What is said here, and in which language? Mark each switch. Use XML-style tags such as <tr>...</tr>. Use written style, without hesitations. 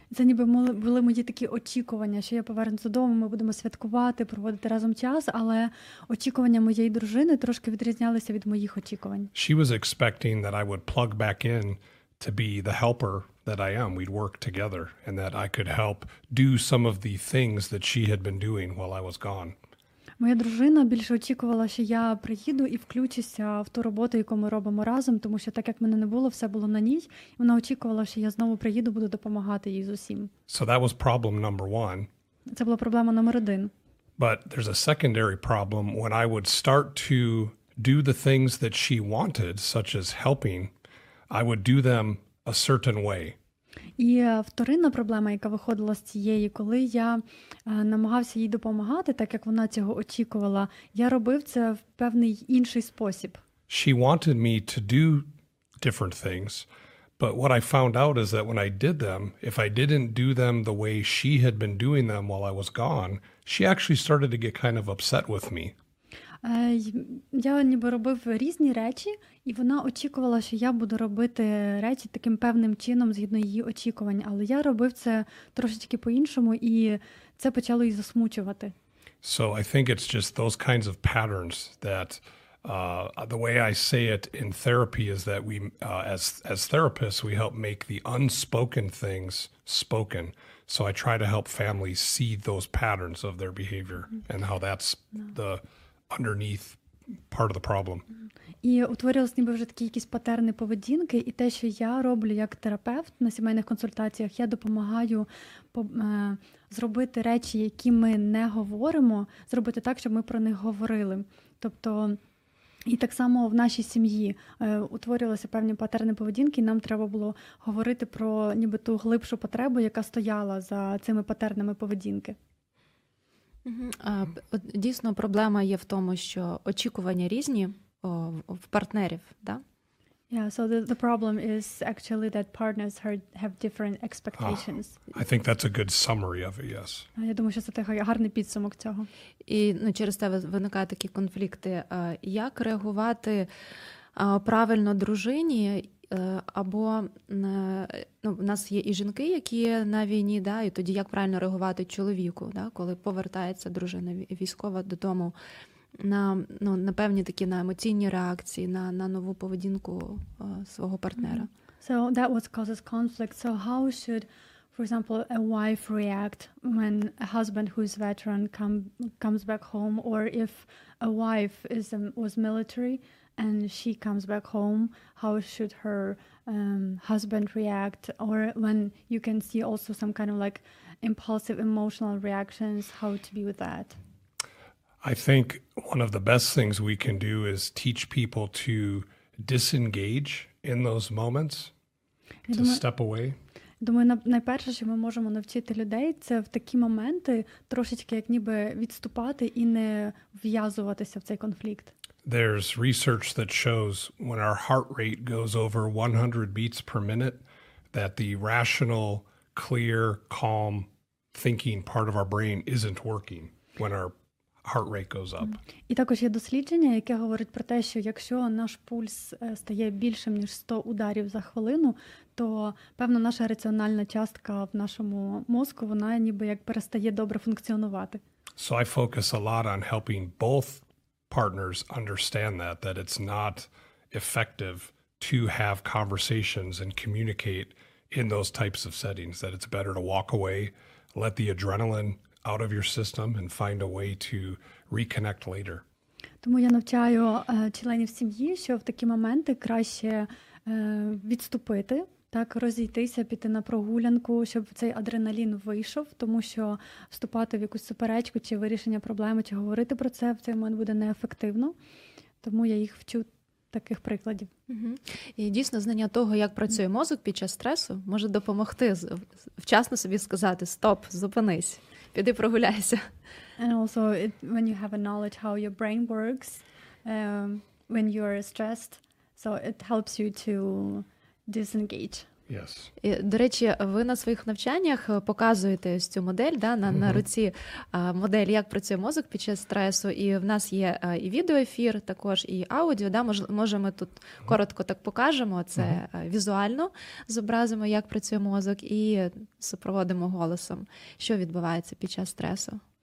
<uk>Це ніби були мої такі очікування, що я повернуся додому, ми будемо святкувати, проводити разом час, але очікування моєї дружини трошки відрізнялися від моїх очікувань.</uk> <en>She was expecting that I would plug back in to be the helper that I am, we'd work together, and that I could help do some of the things that she had been doing while I was gone.</en> <uk>Моя дружина більше очікувала, що я приїду і включуся в ту роботу, яку ми робимо разом, тому що так як мене не було, все було на ній. Вона очікувала, що я знову приїду, буду допомагати їй з усім.</uk> <en>So that was problem number one.</en> <uk>Це була проблема номер один.</uk> <en>But there's a secondary problem when I would start to do the things that she wanted, such as helping, I would do them a certain way.</en> <uk>І вторинна проблема, яка виходила з цієї, коли я намагався їй допомагати, так як вона цього очікувала, я робив це в певний інший спосіб.</uk> <en>She wanted me to do different things, but what I found out is that when I did them, if I didn't do them the way she had been doing them while I was gone, she actually started to get kind of upset with me.</en> <uk>Я ніби робив різні речі, і вона очікувала, що я буду робити речі таким певним чином, згідно її очікувань. Але я робив це трошечки по-іншому, і це почало її засмучувати.</uk> <en>So I think it's just those kinds of patterns that the way I say it in therapy is that we, as therapists, we help make the unspoken things spoken. So I try to help families see those patterns of their behavior and how that's the underneath part of the problem.</en> <uk>І утворилось ніби вже такі якісь патерни поведінки, і те, що я роблю як терапевт на сімейних консультаціях, я допомагаю зробити речі, які ми не говоримо, зробити так, щоб ми про них говорили. Тобто, і так само в нашій сім'ї утворилися певні патерни поведінки, і нам треба було говорити про ніби ту глибшу потребу, яка стояла за цими патернами поведінки. Дійсно, проблема є в тому, що очікування різні в партнерів, да?</uk> <en>Yeah, so the problem is actually that partners have different expectations. I think that's a good summary of it, yes.</en> <uk>Я думаю, що це такий гарний підсумок цього. І, ну, через це виникають такі конфлікти. Як реагувати правильно дружині? Або, ну, в нас є і жінки, які на війні, да, і тоді як правильно реагувати чоловіку, да, коли повертається дружина військова додому, на, ну, на певні такі, на емоційні реакції, на нову поведінку свого партнера.</uk> <en>So that what causes conflict. So how should, for example, a wife react when a husband who's veteran comes back home, or if a wife was military and she comes back home, how should her husband react? Or when you can see also some kind of like impulsive emotional reactions, how to be with that? I think one of the best things we can do is teach people to disengage in those moments, to step away.</en> <uk>Думаю, найперше, що ми можемо навчити людей, це в такі моменти трошечки як ніби відступати і не в'язуватися в цей конфлікт.</uk> <en>There's research that shows when our heart rate goes over 100 beats per minute, that the rational, clear, calm thinking part of our brain isn't working when our heart rate goes up.</en> <uk>І також є дослідження, яке говорить про те, що якщо наш пульс стає більшим, ніж 100 ударів за хвилину, то певно наша раціональна частка в нашому мозку, вона ніби як перестає добре функціонувати.</uk> <en>So I focus a lot on helping both partners understand that it's not effective to have conversations and communicate in those types of settings, that it's better to walk away, let the adrenaline out of your system and find a way to reconnect later.</en> <uk>Тому я навчаю членів сім'ї, що в такі моменти краще відступити, так, розійтися, піти на прогулянку, щоб цей адреналін вийшов, тому що вступати в якусь суперечку чи вирішення проблеми, чи говорити про це в цей момент буде неефективно. Тому я їх вчу таких прикладів. І дійсно знання того, як працює мозок під час стресу, може допомогти вчасно собі сказати: "Стоп, зупинись. Піди прогуляйся".</uk> <en>And also when you have a knowledge how your brain works when you are stressed, so it helps you to disengage. Yes.</en> <uk>До речі, ви на своїх навчаннях показуєте ось цю модель, да, на, mm-hmm. на руці модель, як працює мозок під час стресу, і в нас є і відеоефір також, і аудіо, да, може ми тут mm-hmm. коротко так покажемо це mm-hmm. візуально, зобразимо, як працює мозок, і супроводимо голосом, що відбувається під час стресу.</uk>